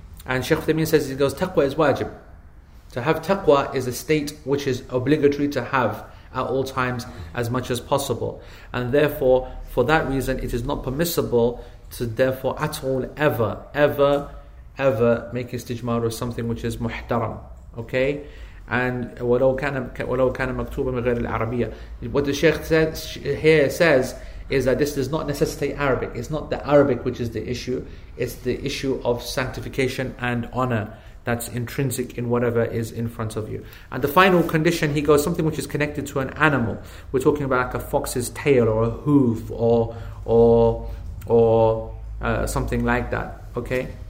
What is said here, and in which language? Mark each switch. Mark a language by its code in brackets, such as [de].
[en] And Shaykh Thameen says, he goes, taqwa is wajib. To have taqwa is a state which is obligatory to have at all times as much as possible. And therefore, for that reason, it is not permissible to therefore at all ever make istijmar of something which is muhtaram. Okay? [ar] And ولو كان مكتوبا بغير العربية. [en] What the Sheikh says is that this does not necessitate Arabic. It's not the Arabic which is the issue. It's the issue of sanctification and honor that's intrinsic in whatever is in front of you. And the final condition, he goes, something which is connected to an animal. We're talking about like a fox's tail or a hoof or something like that. Okay.